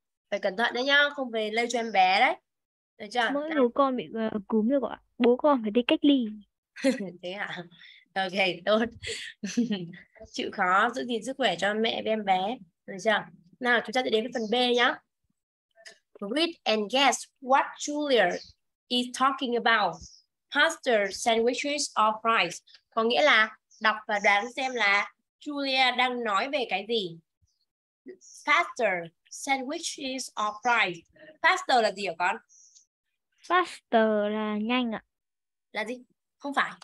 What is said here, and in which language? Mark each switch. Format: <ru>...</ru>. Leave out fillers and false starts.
<vi>Phải cẩn thận đấy nhá, không về lây cho em bé đấy. Được chưa? Mỗi bố con bị cúm được ạ. Bố con phải đi cách ly. Thế hả? Ok, tốt. Chịu khó giữ gìn sức khỏe cho mẹ với em bé. Được chưa? Nào, chúng ta sẽ đến với phần B nhá.</vi> <en>Read and guess what Julia is talking about. Pasta sandwiches or fries.</en> <vi>Có nghĩa là đọc và đoán xem là Julia đang nói về cái gì.</vi> <en>Pasta sandwiches or fries. Pasta</en> <vi>là gì hả con? Faster là nhanh ạ. Là gì? Không phải.</vi>